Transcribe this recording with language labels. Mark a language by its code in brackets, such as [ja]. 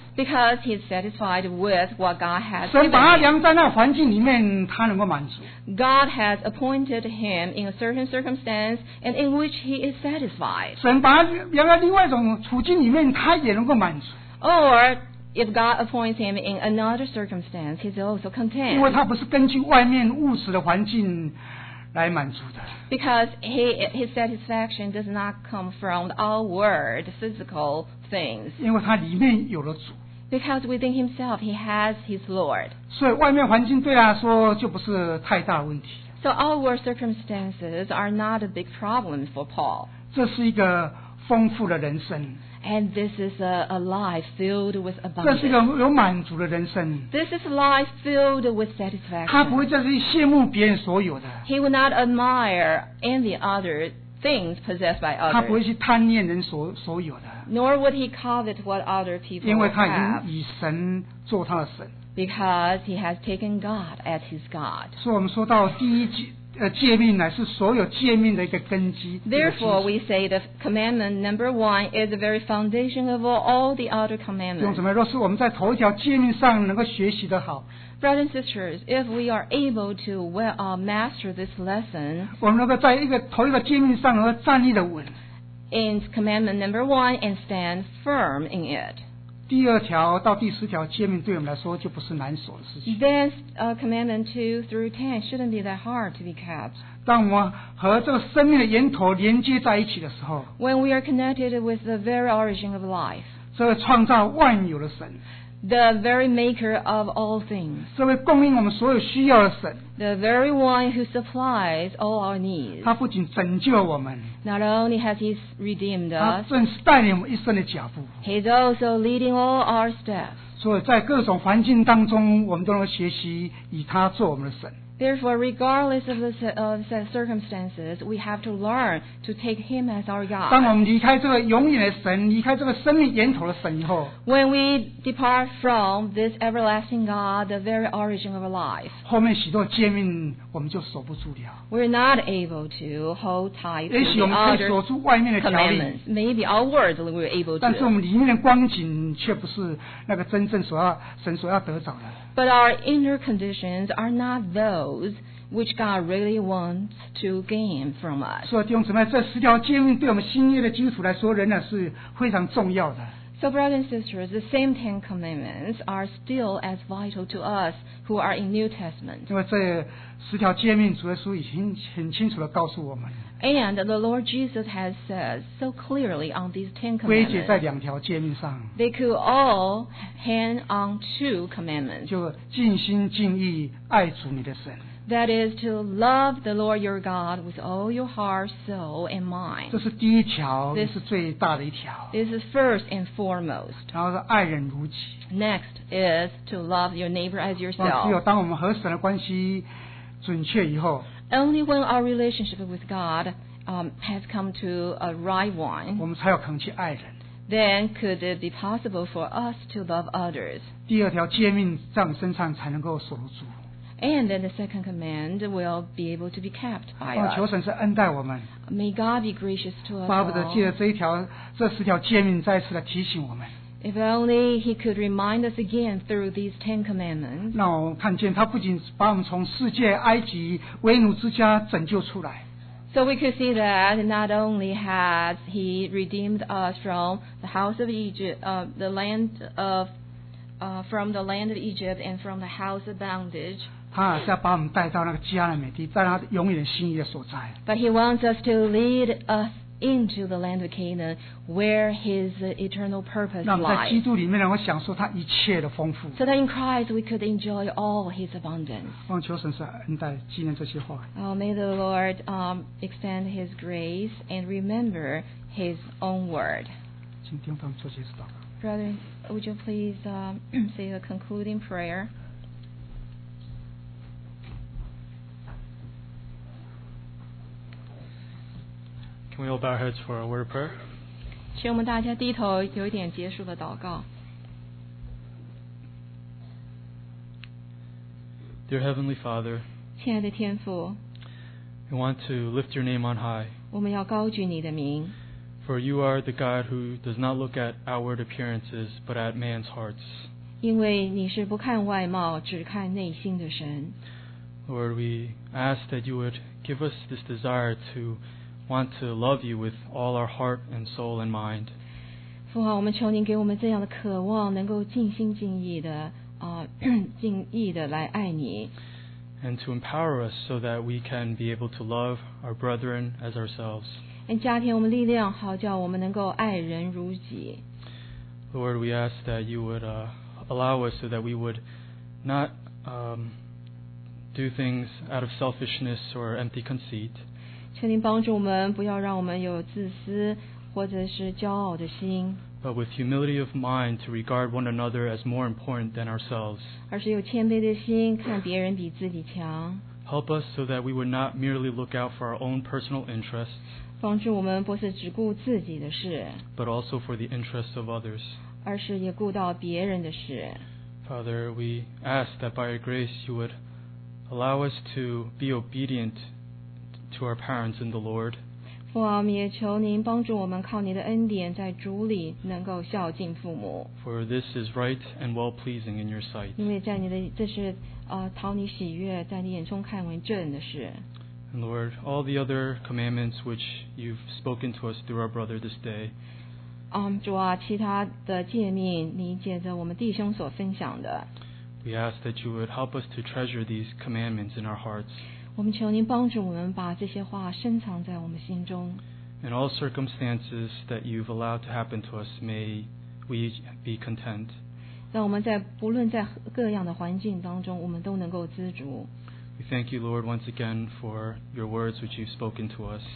[en] Because he is satisfied with what God has given him. [zh] 神把他量在那环境里面，他能够满足。 [en] God has appointed him in a certain circumstance and in which he is satisfied. [zh] 神把他量在另外一种处境里面，他也能够满足。 [en] Or if God appoints him in another circumstance, he's also content. [zh] 因为他不是根据外面物质的环境来满足的。 [en] Because his satisfaction does not come from the outward physical things. [zh] 因为他里面有了主。 [en] Because within himself, he has his Lord. [zh] 所以外面环境对他来说就不是太大问题。 [en] So outward circumstances are not a big problem for Paul. [zh] 这是一个丰富的人生。 [en] And this is a life filled with abundance. [zh] 这是一个有满足的人生。 [en] This is a life filled with satisfaction. [zh] 他不会再去羡慕别人所有的。 [en] He will not admire any other things possessed by others. [zh] 他不会去贪恋人所有的。 [en] Nor would he covet what other people have. [zh] 因为他已经以神做他的神。 [en] Because he has taken God as his God. [zh] 所以我们说到第一句。诫命乃是所有诫命的一个根基。 [en] Therefore, we say the commandment number one is the very foundation of all the other commandments. [zh] 用什么？若是我们在头一条诫命上能够学习得好 [en] ，Brothers and sisters, if we are able to master this lesson, [zh] 我们能够在一个头一个诫命上能够站立的稳 [en] ，in commandment number one and stand firm in it. [zh] 第二条到第十条诫命对我们来说就不是难守的事情。 [en] Then, commandment 2 through 10 shouldn't be that hard to be kept. [zh] 当我们和这个生命的源头连接在一起的时候 [en] ，When we are connected with the very origin of life， [zh] 这个创造万有的神 [en] ，The very maker of all things， [zh] 这位供应我们所有需要的神 [en] ，The very one who supplies all our needs， [zh] 他不仅拯救我们。 [en] Not only has he redeemed us, [zh] 他正是带领我们一生的脚步。 [en] He's also leading all our steps. [zh] 所以在各种环境当中，我们都能学习以他做我们的神。 [en] Therefore, regardless of the circumstances, we have to learn to take him as our God. [zh] 当我们离开这个永远的神，离开这个生命源头的神以后 [en] ，When we depart from this everlasting God, the very origin of our life, [zh] 后面许多诫命我们就守不住了。 [en] We're not able to hold tight to the other commandments. [zh] 也许我们可以守住外面的条例 [en] ，Maybe outwardly we're able to. [zh] 但是我们里面的光景却不是那个真正所要神所要得着的。 [en] But our inner conditions are not those which God really wants to gain from us. [zh] 所以弟兄姊妹，这十条诫命对我们新约的基础来说，仍然是非常重要的。 [en] So brothers and sisters, the same Ten Commandments are still as vital to us who are in New Testament. [zh] 因为这十条诫命，主耶稣已经很清楚地告诉我们。 [en] And the Lord Jesus has said so clearly on these Ten Commandments. [zh] 归结在两条诫命上。 [en] They could all hang on two commandments. [zh] 就尽心尽意爱主你的神。 [en] That is to love the Lord your God with all your heart, soul, and mind. [zh] 这是第一条，也是最大的一条。 [en] This is first and foremost. [zh] 然后是爱人如己。 [en] Next is to love your neighbor as yourself. [zh] 只有当我们和神的关系准确以后。 [en] Only when our relationship with God has come to a right one, [zh] 我们才有可能去爱人。 [en] Then could it be possible for us to love others? [zh] 第二条诫命在我们身上才能够守得住。 [en] And then the second command will be able to be kept by us. [zh] 求神是恩待我们。 [en] May God be gracious to us. [zh] 巴不得借着这一条、这十条诫命再次来提醒我们。 [en] If only he could remind us again through these Ten Commandments. [zh] 那我看见他不仅把我们从世界埃及为奴之家拯救出来。 [en] So we could see that not only has he redeemed us from the house of Egypt, from the land of Egypt and from the house of bondage. [zh] 他是要把我们带到那个迦南美地，在他永远的心意的所在。 [en] But he wants us to lead us. Into the land of Canaan, where His eternal purpose lies. [zh] 让我们在基督里面能够享受他一切的丰富。 [en] So that in Christ we could enjoy all His abundance. [zh] 望求神是恩待纪念这些话。 [en] May the Lord extend His grace and remember His own word. [zh] 请弟兄们做结束祷告。 [en] Brother, would you please say a concluding prayer? Can we all bow our heads for a word of prayer? [zh] 请我们大家低头，有一点结束的祷告。 [en] Dear Heavenly Father, [zh] 亲爱的天父, [en] we want to lift your name on high. [zh] 我们要高举你的名。 [en] For you are the God who does not look at outward appearances, but at man's hearts. [zh] 因为你是不看外貌,只看内心的神。 [en] Lord, we ask that you would give us this desire to want to love you with all our heart and soul and mind. [zh] 父啊,我们求您给我们这样的渴望,能够尽心尽意的,尽意的来爱你。 [en] And to empower us so that we can be able to love our brethren as ourselves. And [zh] 加添我们力量,好叫我们能够爱人如己。 [en] Lord, we ask that you would allow us so that we would not do things out of selfishness or empty conceit. [zh] 求您帮助我们,不要让我们有自私或者是骄傲的心。 [en] But with humility of mind to regard one another as more important than ourselves. [zh] 而是有谦卑的心看别人比自己强。 [en] Help us so that we would not merely look out for our own personal interests. [zh] 帮助我们不是只顾自己的事。 [en] But also for the interests of others. [zh] 而是也顾到别人的事。 [en] Father, we ask that by your grace you would allow us to be obedient to our parents in the Lord. [zh] 父啊，我们也求您帮助我们靠您的恩典在主里能够孝敬父母。 [en] For this is right and well-pleasing in your sight. [zh] 因为在你的这是讨你喜悦，在你眼中看为正的事。 [en] And Lord, all the other commandments which you've spoken to us through our brother this day. [zh] 主啊，其他的诫命你借着我们弟兄所分享的。 [en] We ask that you would help us to treasure these commandments in our hearts. [zh] 我们求您帮助我们把这些话深藏在我们心中。 [en] In all circumstances that you've allowed to happen to us, may we be content. [zh] 让我们在不论在各样的环境当中，我们都能够知足。 [en] We thank you, Lord, once again for your words which you've spoken to us.